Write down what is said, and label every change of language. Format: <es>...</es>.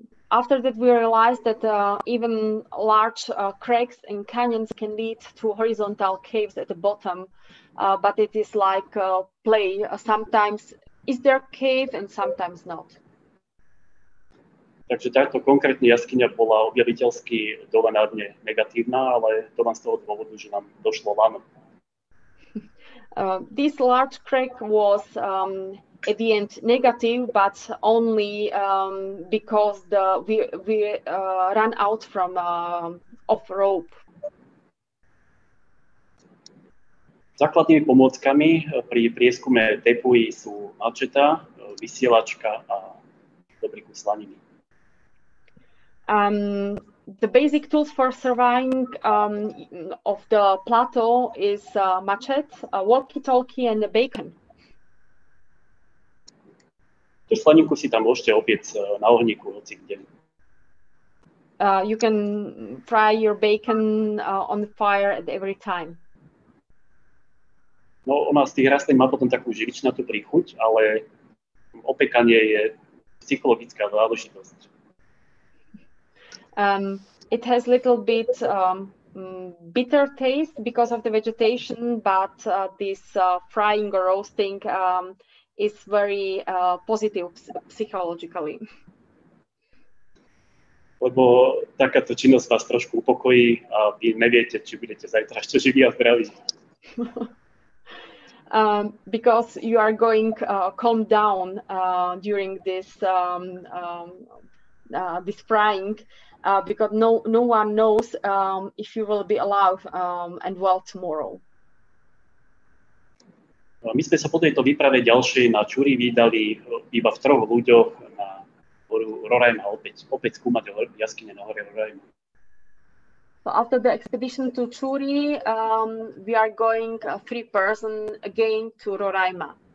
<en>After that we realized that even large cracks and canyons can lead to horizontal caves at the bottom, but it is like play. Sometimes is there a cave and sometimes not.</en> <sk>Takže táto konkrétna jaskyňa bola objaviteľsky dole na dne negatívna, ale to mám z toho dôvodu, že nám došlo lano.</sk> <en>This large crack was at the end negative, but only because we ran out from off rope.</en> <sk>Základnými pomôckami pri prieskume Tepui sú mačeta, vysielačka a dobrý kus slaniny.</sk> <en>The basic tools for surveying of the plateau is machete, a walkie-talkie and a bacon.</en> <sk>Tú slaninku si tam môžete opiec na ohníku, hoci kde.</sk> <en>You can fry your bacon on the fire at every time.</en> <sk>No, ona z tých rastlín má potom takú živičnatú príchuť, ale opekanie je psychologická záležitosť.</sk> <en>It has little bit bitter taste because of the vegetation, but this frying or roasting is very positive psychologically.</en> <sk>Lebo takáto činnosť vás trošku upokojí a vy neviete, či budete zajtra ešte živí a zdraví.</sk> <en>Because you are going calm down during this this frying, because no one knows if you will be alive and well tomorrow.</en> <sk>My sme sa po tejto výprave ďalšie na Čúri vydali iba v troch ľuďoch na horu Roraima opäť skúmať jaskyne na hore Roraima.</sk> <en>So after the expedition to Čúri, we are going three person again to Roraima.</en>